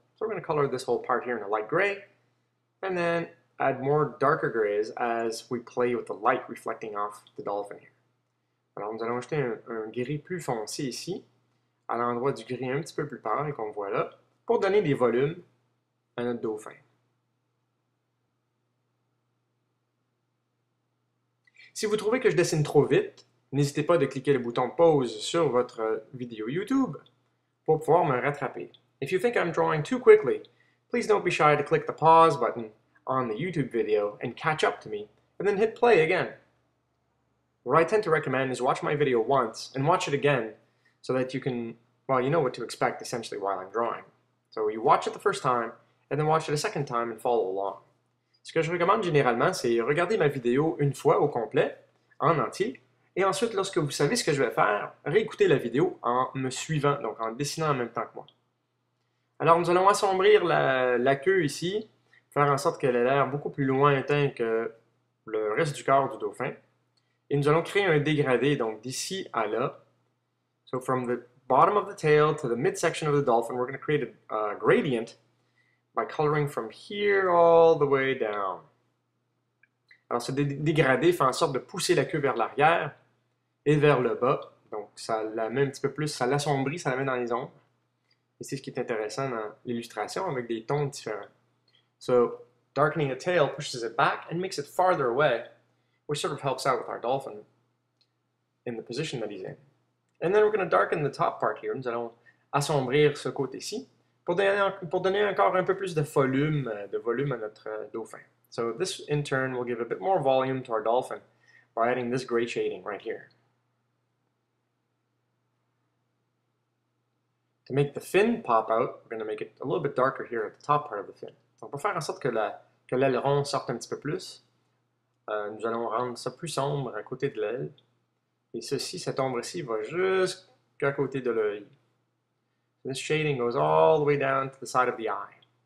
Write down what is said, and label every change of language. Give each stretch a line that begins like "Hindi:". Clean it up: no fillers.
English: So we're going to color this whole part here in a light gray, and then add more darker grays as we play with the light reflecting off the dolphin here.
French: Alors nous allons ajouter un gris plus foncé ici, à l'endroit du gris un petit peu plus pâle qu'on voit là, pour donner des volumes à notre dauphin. Si vous trouvez que je dessine trop vite, n'hésitez pas de cliquer le bouton pause sur votre vidéo YouTube pour pouvoir me rattraper.
English: If you think I'm drawing too quickly, please don't be shy to click the pause button on the YouTube video and catch up to me, and then hit play again. What I tend to recommend is watch my video once and watch it again so that you can, well, you know what to expect essentially while I'm drawing. So you watch it the first time and then watch it a second time and follow along.
French: Ce que je recommande généralement, c'est regarder ma vidéo une fois au complet, en entier, et ensuite, lorsque vous savez ce que je vais faire, réécouter la vidéo en me suivant, donc en dessinant en même temps que moi. Alors, nous allons assombrir la queue ici, faire en sorte qu'elle ait l'air beaucoup plus lointain que le reste du corps du dauphin, et nous allons créer un dégradé, donc d'ici à là.
English: So, from the bottom of the tail to the midsection of the dolphin, we're going to create a gradient by coloring from here all the way down.
French: Alors, ce dégradé fait en sorte de pousser la queue vers l'arrière et vers le bas. Donc, ça la met un petit peu plus, ça l'assombrit, ça la met dans les ombres. Et c'est ce qui est intéressant dans l'illustration avec des tons différents.
English: So, darkening the tail pushes it back and makes it farther away, which sort of helps out with our dolphin in the position that he's in. And then we're going to darken the top part here.
French: Nous allons assombrir ce côté-ci. Pour donner encore un peu plus de volume à notre dauphin.
English: So this in turn will give a bit more volume to our dolphin by adding this gray shading right here. To make the fin pop out, we're going to make it a little bit darker here at the top part of the fin.
French: Donc pour faire en sorte que l'aileron sorte un petit peu plus, nous allons rendre ça plus sombre à côté de l'aile. Et ceci, cette ombre-ci va jusqu'à côté de l'œil.
English: This shading goes all the way down to the side of the eye.